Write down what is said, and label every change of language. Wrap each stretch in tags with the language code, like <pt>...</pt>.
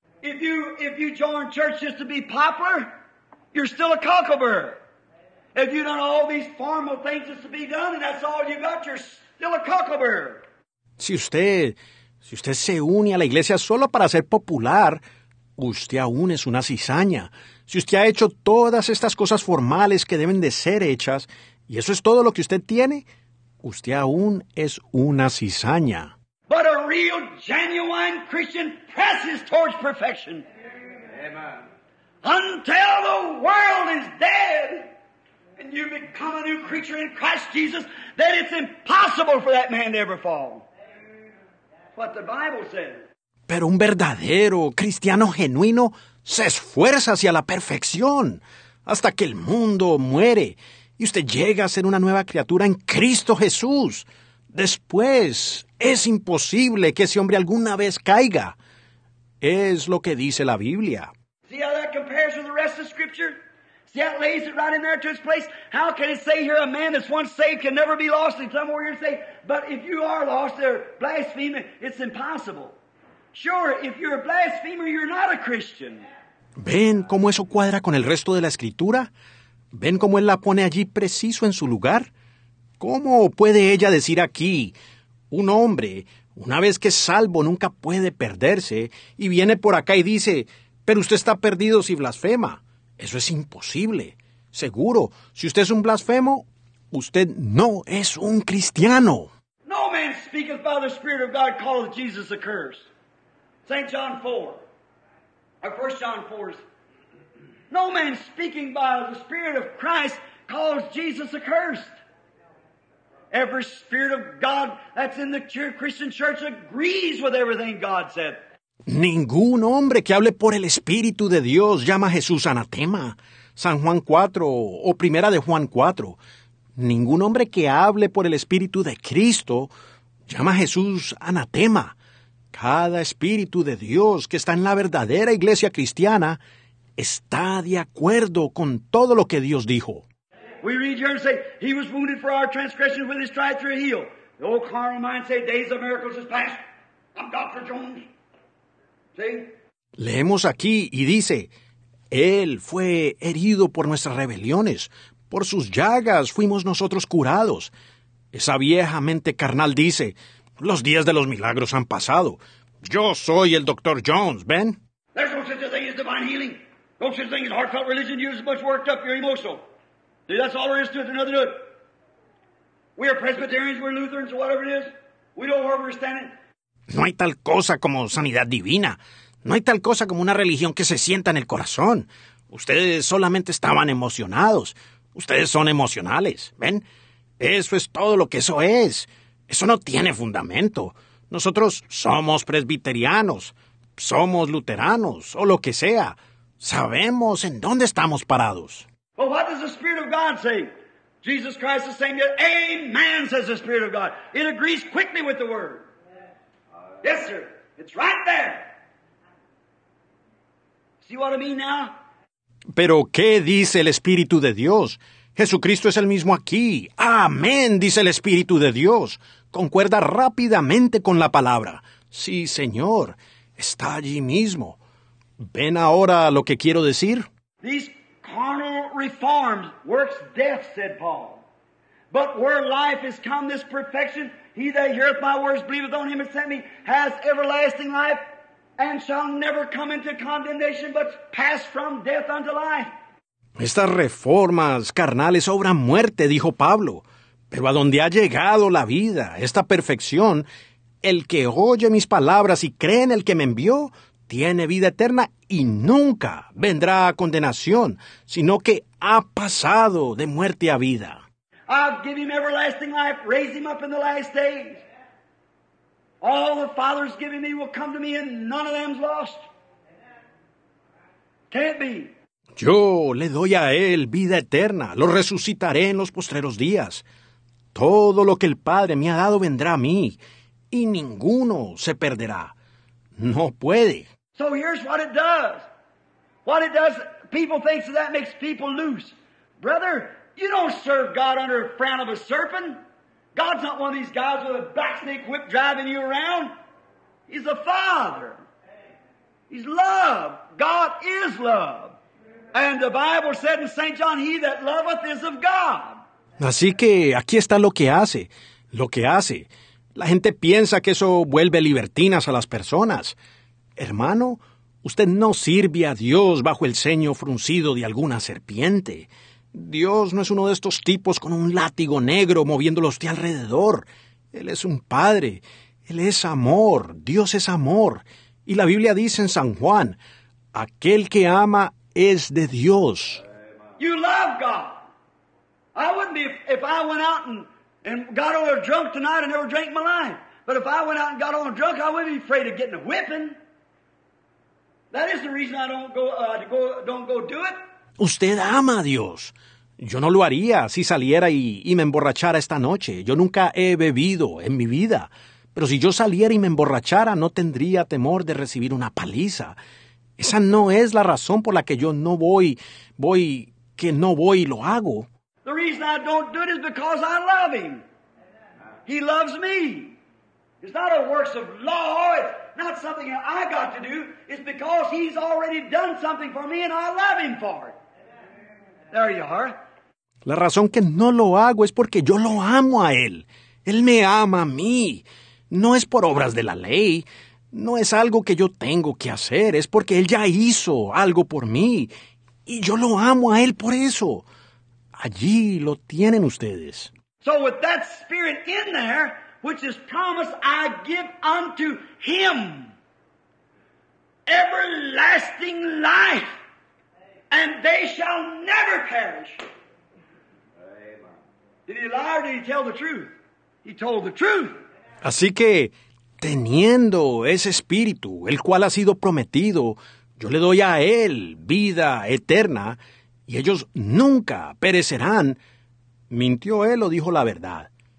<en>If you join church just to be popular, you're still a cucklebird. If you've done all these formal things just to be done and that's all you got, you're still a cucklebird.</en> <es>Si usted se une a la iglesia solo para ser popular, usted aún es una cizaña. Si usted ha hecho todas estas cosas formales que deben de ser hechas, y eso es todo lo que usted tiene, usted aún es una cizaña.</es> <en>But a real, genuine Christian presses towards perfection. Amen. Until the world is dead, and you become a new creature in Christ Jesus, then it's impossible for that man to ever fall. But the Bible says.</en> <es>Pero un verdadero cristiano genuino se esfuerza hacia la perfección hasta que el mundo muere y usted llega a ser una nueva criatura en Cristo Jesús. Después, es imposible que ese hombre alguna vez caiga. Es lo que dice la Biblia.</es> <en>See how that compares with the rest of Scripture? See how it lays it right in there to its place? How can it say here a man that's once saved can never be lost? And some warriors say, but if you are lost, they're blaspheming. It's impossible. Sure, if you're a blasphemer, you're not a Christian.</en> <es>¿Ven cómo eso cuadra con el resto de la Escritura? ¿Ven cómo él la pone allí preciso en su lugar? ¿Cómo puede ella decir aquí, un hombre, una vez que es salvo, nunca puede perderse, y viene por acá y dice, pero usted está perdido si blasfema? Eso es imposible. Seguro, si usted es un blasfemo, usted no es un cristiano.</es> <en>No man speaketh by the Spirit of God, calleth Jesus a curse. St. John 4, or 1 John 4, no man speaking by the Spirit of Christ calls Jesus accursed. Every spirit of God that's in the Christian church agrees with everything God said.</en> <es>Ningún hombre que hable por el Espíritu de Dios llama a Jesús anatema. San Juan 4 o Primera de Juan 4. Ningún hombre que hable por el Espíritu de Cristo llama a Jesús anatema. Cada espíritu de Dios que está en la verdadera iglesia cristiana está de acuerdo con todo lo que Dios dijo.</es> <en>We read here and say, he was wounded for our transgressions with his stripes were healed. The old carnal mind say, days of miracles is past. I'm Dr. Jones. See?</en> <es>Leemos aquí y dice, él fue herido por nuestras rebeliones. Por sus llagas fuimos nosotros curados. Esa vieja mente carnal dice, los días de los milagros han pasado. Yo soy el Dr. Jones, ¿ven?</es> <en>There's no such a thing as divine healing. No such a thing as heartfelt religion. You're as much worked up, you're emotional. See, that's all there is to it, another good. We are Presbyterians, we're Lutherans, or whatever it is. We don't where we're standing.</en> <es>No hay tal cosa como sanidad divina. No hay tal cosa como una religión que se sienta en el corazón. Ustedes solamente estaban emocionados. Ustedes son emocionales, ¿ven? Eso es todo lo que eso es. Eso no tiene fundamento. Nosotros somos presbiterianos, somos luteranos, o lo que sea. Sabemos en dónde estamos parados.</es> <en>Well, what does the Spirit of God say? Jesus Christ is saying, amen, says the Spirit of God. It agrees quickly with the Word. Yes, sir. It's right there. See what I mean now?</en> <es>Pero, ¿qué dice el Espíritu de Dios? Jesucristo es el mismo aquí. Amén, dice el Espíritu de Dios. Concuerda rápidamente con la palabra. Sí, Señor, está allí mismo. ¿Ven ahora lo que quiero decir?</es> <en>These carnal reforms works death, said Paul. But where life is come, this perfection, he that heareth my words, believeth on him that sent me, has everlasting life, and shall never come into condemnation, but pass from death unto life.</en> <es>Estas reformas carnales obran muerte, dijo Pablo. Pero a donde ha llegado la vida, esta perfección, el que oye mis palabras y cree en el que me envió, tiene vida eterna y nunca vendrá a condenación, sino que ha pasado de muerte a vida.</es> <en>I'll give him everlasting life, raise him up in the last day. All the Father's given me will come to me and none of them's lost. Can't be.</en> <es>Yo le doy a él vida eterna, lo resucitaré en los postreros días. Todo lo que el Padre me ha dado vendrá a mí, y ninguno se perderá. No puede.</es> <en>So here's what it does. What it does, people think that, that makes people loose. Brother, you don't serve God under a frown of a serpent. God's not one of these guys with a blacksnake whip driving you around. He's a Father. He's love. God is love. And the Bible said in St. John, he that loveth is of God.</en> <es>Así que aquí está lo que hace. Lo que hace. La gente piensa que eso vuelve libertinas a las personas. Hermano, usted no sirve a Dios bajo el ceño fruncido de alguna serpiente. Dios no es uno de estos tipos con un látigo negro moviéndolos de alrededor. Él es un padre. Él es amor. Dios es amor. Y la Biblia dice en San Juan, aquel que ama es de Dios.</es> <en>You love God. I wouldn't be if I went out and got on a drunk tonight and never drank my life. But if I went out and got on a drunk, I wouldn't be afraid of getting a whipping. That is the reason I don't go do it.</en> <es>Usted ama a Dios. Yo no lo haría si saliera y me emborrachara esta noche. Yo nunca he bebido en mi vida. Pero si yo saliera y me emborrachara, no tendría temor de recibir una paliza. Esa no es la razón por la que yo no voy y lo hago.</es> <en>The reason I don't do it is because I love him. He loves me. It's not a works of law. It's not something I got to do. It's because he's already done something for me and I love him for it. There you are.</en> <es>La razón que no lo hago es porque yo lo amo a él. Él me ama a mí. No es por obras de la ley. No es algo que yo tengo que hacer, es porque Él ya hizo algo por mí, y yo lo amo a Él por eso. Allí lo tienen ustedes.</es> <en>So with that spirit in there, which is promised, I give unto Him everlasting life, and they shall never perish. Did He lie or did He tell the truth? He told the truth.</en> <es>Así que, teniendo ese espíritu, el cual ha sido prometido, yo le doy a él vida eterna, y ellos nunca perecerán. ¿Mintió él o dijo la verdad?</es>